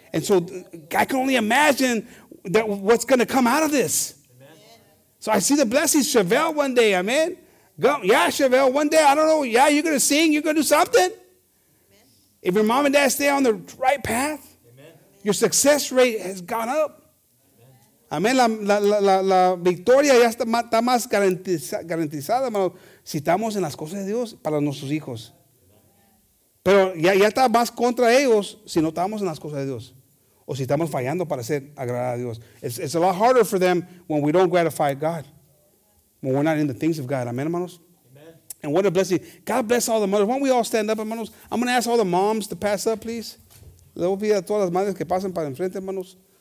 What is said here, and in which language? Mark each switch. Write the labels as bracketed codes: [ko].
[en] And so I can only imagine that what's going to come out of this. Amen. So I see the blessings. Chevelle one day, amen? Go, yeah, Chevelle, one day, I don't know, yeah, you're going to sing, you're going to do something. Amen. If your mom and dad stay on the right path, amen, your success rate has gone up. [es] Amén, la victoria ya está más garantizada, hermano, si estamos en las cosas de Dios para nuestros hijos. Pero ya está más contra ellos si no estamos en las cosas de Dios. O si estamos fallando para ser agradar a Dios. [en] It's a lot harder for them when we don't gratify God. When we're not in the things of God. [es] Amén, hermanos. [en] Amen. And what a blessing. God bless all the mothers. Why don't we all stand up, hermanos? I'm going to ask all the moms to pass up, please. [es] Le voy a pedir a todas las madres que pasen para enfrente, hermanos.